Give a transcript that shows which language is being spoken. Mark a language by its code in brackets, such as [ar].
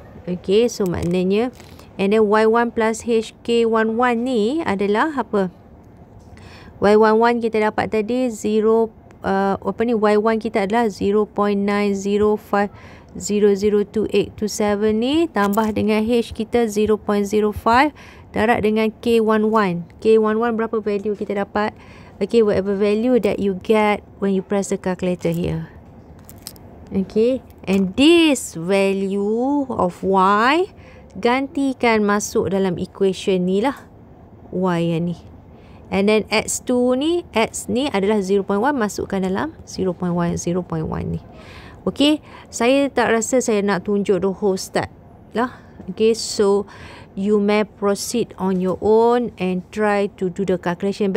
[en] Okay, so maknanya, and then y1 plus hk11 [ms] ni adalah apa? Y11 kita dapat tadi 0, apa ni, y1 kita adalah 0.90500287 ni, tambah dengan h kita 0.05 darab dengan k11. K11 berapa value kita dapat? [en] Okay, whatever value that you get when you press the calculator here. [ms] Okay, [en] and this value of y [ms] gantikan masuk dalam equation ni lah, y yang ni. [en] And then [ms] x2 ni, x ni adalah 0.1, masukkan dalam 0.1 ni. Okay, saya tak rasa saya nak tunjuk [en] the whole start [ms] lah. [en] Okay, so you may proceed on your own and try to do the calculation.